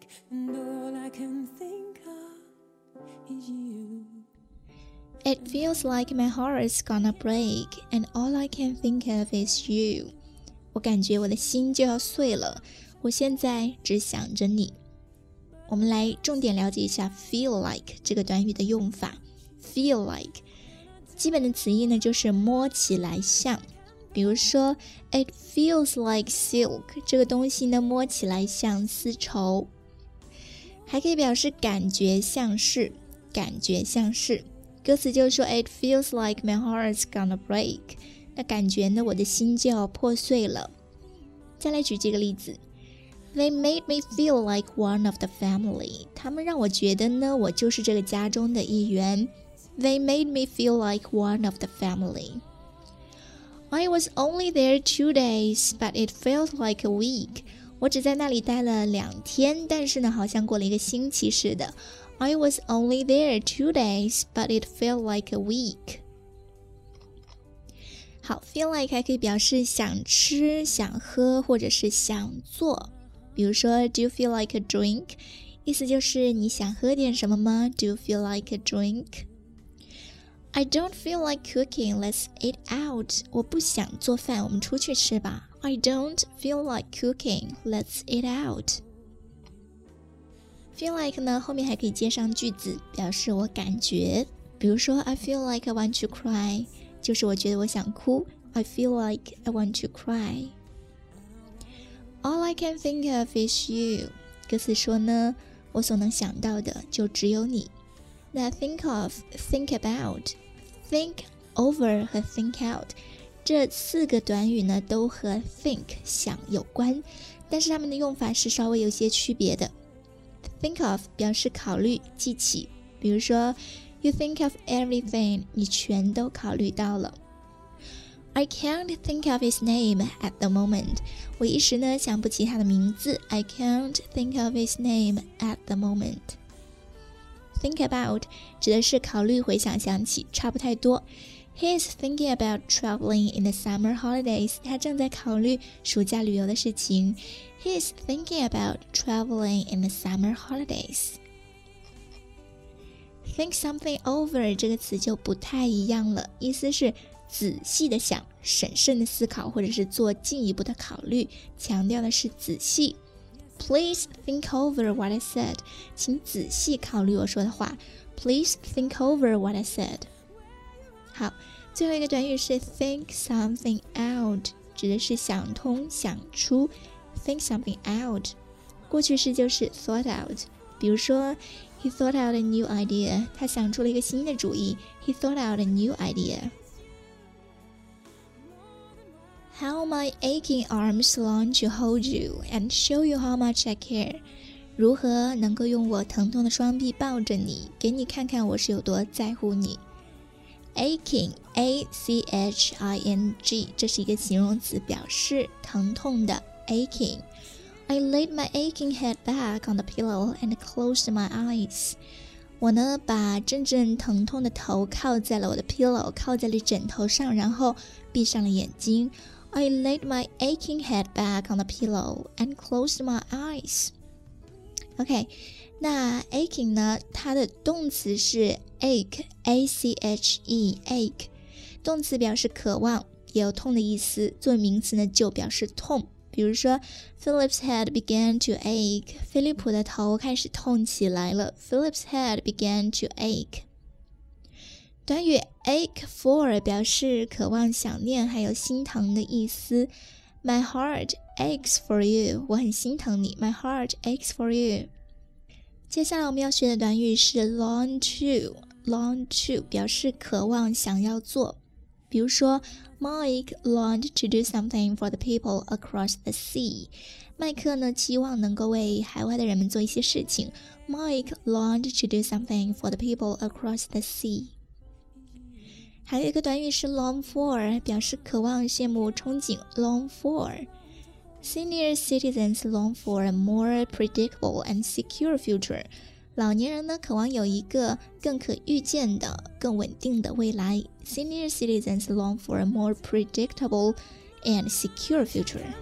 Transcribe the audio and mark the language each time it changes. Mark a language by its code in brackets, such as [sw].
[en] And all I can think of is you. It feels like my heart's gonna break. And all I can think of is you. [zh] 我感觉我的心就要碎了，我现在只想着你。我们来重点了解一下 feel like 这个短语的用法。 Feel like基本的词义呢，就是摸起来像，比如说 [en] It feels like silk， [zh] 这个东西呢摸起来像丝绸，还可以表示感觉像是，感觉像是。歌词就是说 [en] It feels like my heart's gonna break， [zh] 那感觉呢我的心就要破碎了。再来举几个例子， [en] They made me feel like one of the family， [zh] 他们让我觉得呢我就是这个家中的一员。 [en] They made me feel like one of the family. I was only there 2 days, but it felt like a week. [zh] 我只在那里待了两天，但是呢，好像过了一个星期似的。 [en] I was only there 2 days, but it felt like a week. [zh] 好 ，feel like 还可以表示想吃、想喝或者是想做。比如说 [en] ，Do you feel like a drink? [zh] 意思就是你想喝点什么吗 [en] ？Do you feel like a drink? I don't feel like cooking, let's eat out. [zh] 我不想做饭，我们出去吃吧。 [en] I don't feel like cooking, let's eat out. [zh] Feel like 呢，后面还可以接上句子，表示我感觉。比如说 [en] I feel like I want to cry, [zh] 就是我觉得我想哭。 [en] I feel like I want to cry. All I can think of is you. [zh] 歌词说呢，我所能想到的就只有你。那 think of, think about, think over 和 think out 这四个短语呢都和 think 想有关，但是它们的用法是稍微有些区别的。 think of 表示考虑记起，比如说 [en] you think of everything， [zh] 你全都考虑到了。 [en] I can't think of his name at the moment， [zh] 我一时呢想不起他的名字。 [en] I can't think of his name at the momentThink about [zh] 指的是考虑、回想、想起，差不太多。 [en] He is thinking about traveling in the summer holidays. [zh] 他正在考虑暑假旅游的事情。 [en] He is thinking about traveling in the summer holidays. [zh] Think something over 这个词就不太一样了，意思是仔细的想、审慎的思考，或者是做进一步的考虑，强调的是仔细。 [en] Please think over what I said. [zh] 请仔细考虑我说的话。 [en] Please think over what I said. [zh] 好，最后一个短语是 [en] think something out， [zh] 指的是想通、想出。 [en] Think something out， [zh] 过去式就是 [en] thought out。 [zh] 比如说 [en] ，He thought out a new idea. [zh] 他想出了一个新的主意。 [en] He thought out a new idea. How my aching arms long to hold you and show you how much I care. [zh] 如何能够用我疼痛的双臂抱着你，给你看看我是有多在乎你。 Aching, A-C-H-I-N-G, 这是一个形容词，表示疼痛的 aching. [en] I laid my aching head back on the pillow and closed my eyes. [zh] 我呢把阵阵疼痛的头靠在了我的 pillow, 靠在了枕头上，然后闭上了眼睛。 [en] I laid my aching head back on the pillow and closed my eyes. [zh] OK, 那 aching 呢，它的动词是 ache, A-C-H-E, ache. 动词表示渴望，也有痛的意思，作为名词呢就表示痛。 [en] 比如说 Philip's head began to ache. [zh] 菲利普的头开始痛起来了。 [en] Philip's head began to ache. [zh] 短语 ache for 表示渴望、想念还有心疼的意思。 [en] My heart aches for you， [zh] 我很心疼你。 [en] My heart aches for you。 [zh] 接下来我们要学的短语是 long to， long to 表示渴望、想要做。 [en] 比如说 Mike longed to do something for the people across the sea. [zh] 麦克呢期望能够为海外的人们做一些事情。 [en] Mike longed to do something for the people across the sea. [zh] 还有一个短语是 long for, 表示渴望、羡慕、憧憬。 [en] Long for senior citizens long for a more predictable and secure future. [zh] 老年人呢渴望有一个更可预见的、更稳定的未来。 [en] Senior citizens long for a more predictable and secure future.